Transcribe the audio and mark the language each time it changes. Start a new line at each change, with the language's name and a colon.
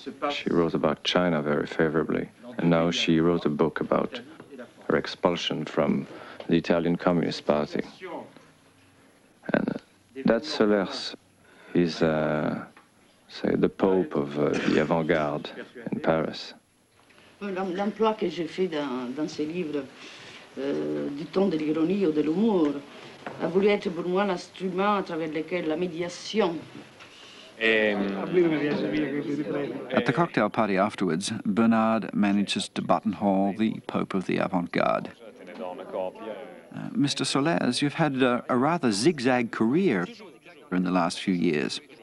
English: She wrote about China very favorably. And now she wrote a book about her expulsion from the Italian Communist Party. And that Solers is, say, the Pope of the avant-garde in Paris.
French: L'emploi que j'ai fait dans ces livres du temps de l'ironie ou de l'humour a voulu être pour moi l'instrument à travers lequel la médiation.
English: At the cocktail party afterwards, Bernard manages to buttonhole the Pope of the avant-garde. Mr. Solers, you've had a rather zigzag career in the last few years.